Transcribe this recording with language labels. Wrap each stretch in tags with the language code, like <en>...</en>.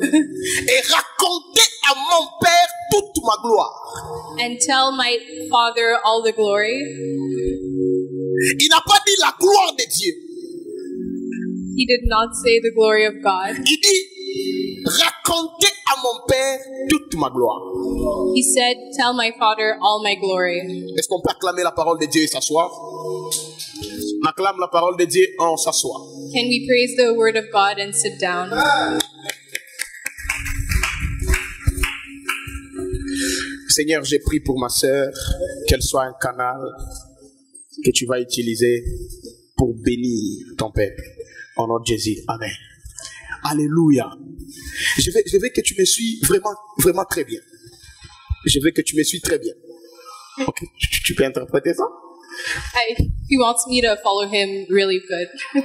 <fr>Et racontez à mon père toute ma gloire.</fr> <en>And tell my father all the glory.</en> <fr>Il n'a pas dit la gloire de Dieu.</fr> <en>He did not say the glory of God.</en> <fr>Il dit, racontez à mon père toute ma gloire.</fr> <en>He said, tell my father all my glory.</en> <fr>Est-ce qu'on peut acclamer la parole de Dieu et s'asseoir? On acclame la parole de Dieu en s'asseoir.</fr> <en>Can we praise the word of God and sit down?</en> <fr>Seigneur, j'ai prié pour ma sœur qu'elle soit un canal que tu vas utiliser pour bénir ton peuple. Au nom de Jésus. Amen. Alléluia. Je veux que tu me suives vraiment, vraiment très bien. Je veux que tu me suives très bien. Ok, tu peux interpréter ça?</fr> <en>He wants me to follow him really good.</en>